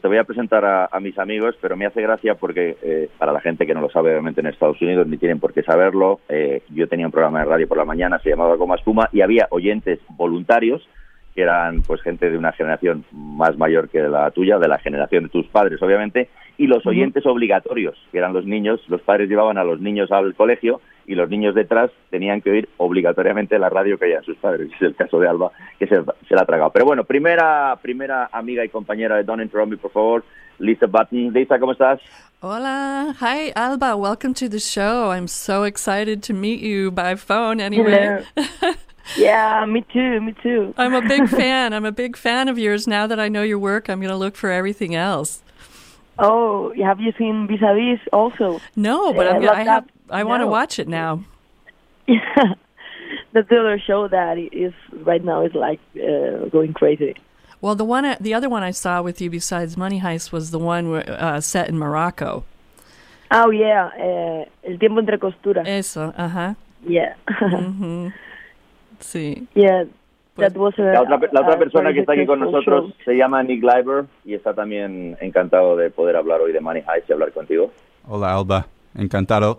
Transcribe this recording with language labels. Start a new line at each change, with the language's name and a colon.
Spanish: Te voy a presentar a mis amigos, pero me hace gracia porque para la gente que no lo sabe, obviamente en Estados Unidos ni tienen por qué saberlo, yo tenía un programa de radio por la mañana, se llamaba Goma Espuma, y había oyentes voluntarios, que eran pues gente de una generación más mayor que la tuya, de la generación de tus padres, obviamente, y los oyentes obligatorios, que eran los niños, los padres llevaban a los niños al colegio, y los niños detrás tenían que oír obligatoriamente la radio que oían sus padres. Es el caso de Alba, que se la ha tragado. Pero bueno, primera amiga y compañera de Don't Interrupt Me, por favor, Lisa Button. Lisa, ¿cómo estás?
English: Hola. Hi, Alba. Welcome to the show. I'm so excited to meet you by phone anyway. Yeah, me too. I'm a big fan of yours. Now that I know your work, I'm going to look for everything else. Oh, have you seen Vis a Vis also? No, but I want to watch it now. Yeah. That's the other show that is right now is like going crazy. Well, the other one I saw with you besides Money Heist was the one set in Morocco. Oh, yeah.
Spanish: El Tiempo Entre Costuras. Eso, uh-huh.
English: Yeah.
Spanish: Mm-hmm. Sí.
English: Yeah, pues, that was
Spanish: La otra persona que está aquí con nosotros show. Se llama Nick Leiber y está también encantado de poder hablar hoy de Money Heist y hablar contigo. Hola, Alba. Encantado.